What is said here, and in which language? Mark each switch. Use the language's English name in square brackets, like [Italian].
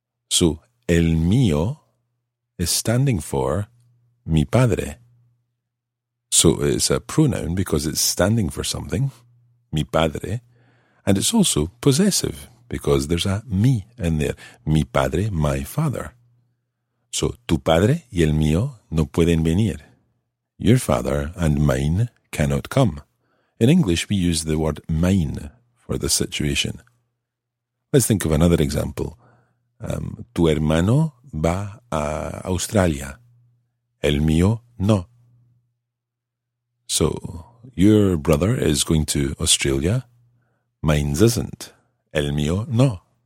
[English] So, el mío is standing for mi padre. So, it's a pronoun because it's standing for something, mi padre, and it's also possessive. Because there's a mi in there, [Spanish] mi padre, [English] my father. [Spanish] So, tu padre y el mío no pueden venir. [English] Your father and mine cannot come. In English, we use the word mine for the situation. Let's think of another example. [Spanish] Tu hermano va a Australia. El mío no. [English] So, your brother is going to Australia. Mine isn't. El mío no.